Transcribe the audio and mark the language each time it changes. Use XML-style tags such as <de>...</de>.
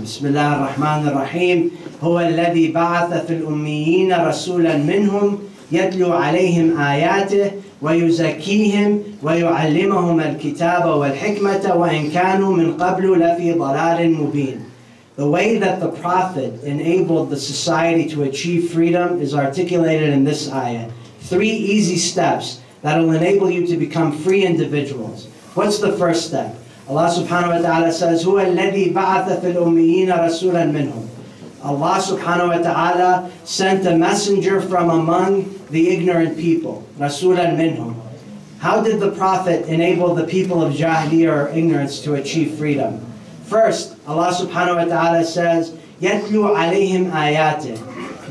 <ar>Bismillah ar-Rahman ar-Rahim. هُوَ الَّذِي بَعَثَ فِي الْأُمِّيِّينَ رَسُولًا مِّنْهُمْ يَتْلُوْ عَلَيْهِمْ آيَاتِهِ وَيُزَكِّيهِمْ وَيُعَلِّمَهُمَ الْكِتَابَ وَالْحِكْمَةَ وَإِنْ كَانُوا مِنْ قَبْلُ لَفِي ضَلَالٍ مُبِينٍ.</ar> <en>The way that the Prophet enabled the society to achieve freedom is articulated in this ayah. Three easy steps that will enable you to become free individuals. What's the first step? Allah subhanahu wa ta'ala says,</en> <ar>هُوَ الَّذِي بَعَثَ فِي الْأُمِّيِّينَ رَسُولًا مِّنْهُمْ.</ar> <en>Allah subhanahu wa ta'ala sent a messenger from among the ignorant people.</en> <ar>Rasulan minhum.</ar> <en>How did the Prophet enable the people of jahiliyyah or ignorance to achieve freedom? First, Allah subhanahu wa ta'ala says,</en> <ar>يَتْلُوْ عَلَيْهِمْ آيَاتِهِ.</ar>